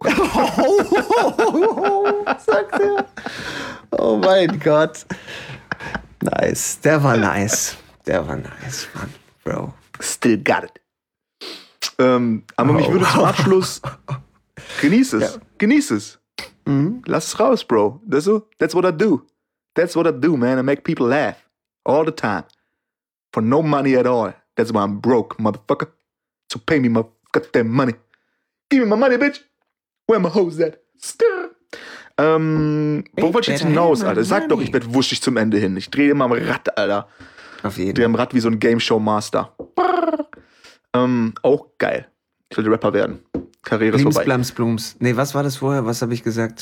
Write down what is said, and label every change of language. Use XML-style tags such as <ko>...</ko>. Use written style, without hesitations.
<de>Ho, ho, ho, sagt er. Oh mein Gott. Nice. Der war nice. Der war nice, Mann. Bro.</de> <en>Still got it.</en> <de>Aber oh, mich würde zum Abschluss genieß es. Ja. Genieß es. Mhm. Lass es raus, Bro.</de> <en>That's what I do. That's what I do, man. I make people laugh. All the time. For no money at all. That's why I'm broke, motherfucker. So pay me my goddamn money. Give me my money, bitch. Where my hoes at? Stir.</en> <de>Wo wollte ich jetzt hinaus, Alter? Sag doch, ich werde wuschig zum Ende hin. Ich drehe immer am Rad, Alter. Auf jeden Fall. Dreh am Rad wie so ein Game Show Master. Auch geil. Ich will Rapper werden. Karriere Blims, ist vorbei. Blams, Blums. Nee, was war das vorher? Was habe ich gesagt?</de>